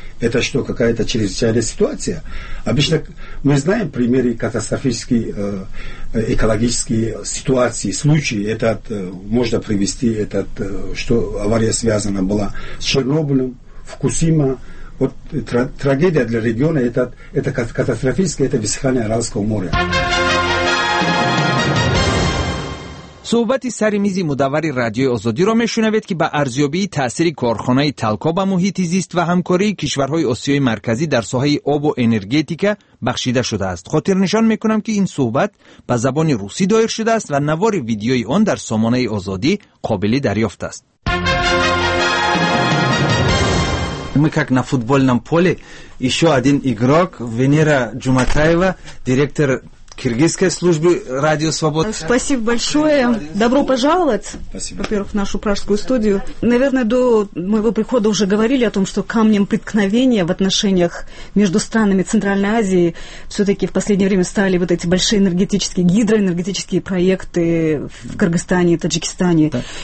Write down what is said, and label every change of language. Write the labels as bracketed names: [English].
[Russian] Это что, какая-то чрезвычайная ситуация? Обычно мы знаем примеры катастрофических экологических ситуаций, случаев. Можно привести, что авария связана была с Чернобылем, Фукусима. Вот трагедия для региона, это катастрофическое, это высыхание Аральского моря. [Persian] صحبتی سر میزی مدور رادیو آزادی را میشنوید که با ارزیابی تأثیر کارخانه تلکا به محیط زیست و همکاری کشورهای آسیای مرکزی در ساحه آب و انرژیتیکا بخشیده شده است. خاطر نشان میکنم که این صحبت به زبان روسی دایر شده است و نوار ویدیوی آن در سامانه آزادی قابل دریافت است. [Russian] Мы как на футбольном поле, еще один игрок Венера Джуматаева, директор Киргизской службы Радио Свобода. Спасибо большое. Добро пожаловать, спасибо, во-первых, в нашу пражскую студию. Наверное, до моего прихода уже говорили о том, что камнем преткновения в отношениях между странами Центральной Азии все-таки в последнее время стали вот эти большие энергетические, гидроэнергетические проекты в Кыргызстане и Таджикистане. Да.